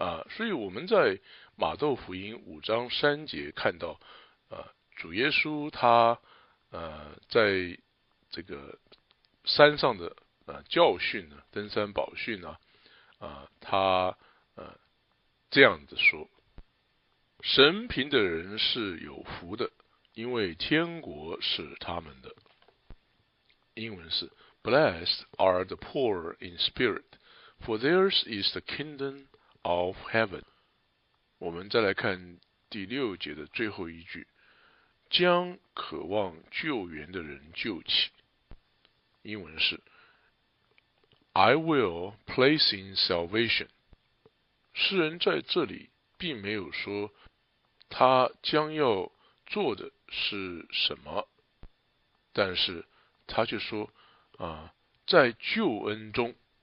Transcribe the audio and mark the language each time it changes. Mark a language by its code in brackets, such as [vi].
[zh] 所以我们在马窦福音五章三节看到主耶稣他在这个山上的教训呢，登山宝训呢他这样子说，神贫的人是有福的，因为天国是他们的。英文是 [en] Blessed are the poor in spirit, for theirs is the kingdom of heaven。 [zh] 我们再来看第六节的最后一句，将渴望救援的人救起。英文是 [en] I will place in salvation。 [zh] 诗人在这里并没有说他将要做的是什么，但是他就说在救恩中，